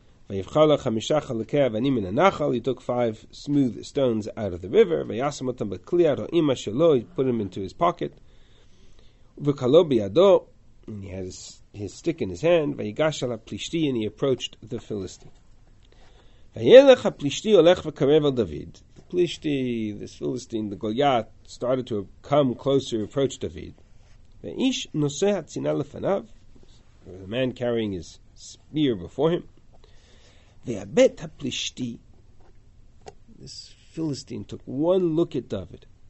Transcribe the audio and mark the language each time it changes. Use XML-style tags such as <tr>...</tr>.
<he>ויבחר לו חמישה חלקי אבנים מן הנחל.</he> <en>He took five smooth stones out of the river.</en> <he>וישם אותם בכלי הרועים שלו.</he> <en>He put them into his pocket.</en> <he>וקלו בידו.</he> <en>And he had his stick in his hand.</en> <he>ויגש אל הפלישתי.</he> <en>And he approached the Philistine.</en> <he>וילך הפלישתי הולך וקרב אל דוד.</he> <en>Plishti, this Philistine, the Goliath, started to come closer, approach David.</en> <he>Ve'ish noseh hatzina lefanav,</he> <en>the man carrying his spear before him.</en> <he>Ve'abet haplishti,</he> <en>this Philistine took one look at David.</en>